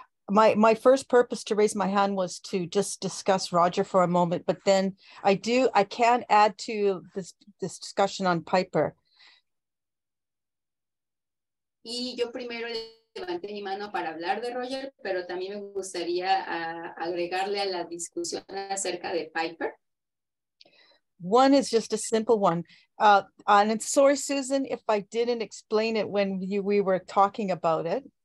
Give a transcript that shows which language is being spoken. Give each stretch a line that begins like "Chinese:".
English: My first purpose to raise my hand was to just discuss Roger for a moment, but then I can add to this discussion on Piper.
Spanish: Y yo primero levanté mi mano para hablar de Roger, pero también me gustaría agregarle a la discusión acerca de Piper.
English: One is just a simple one. And sorry, Susan, if I didn't explain it when we were talking about it.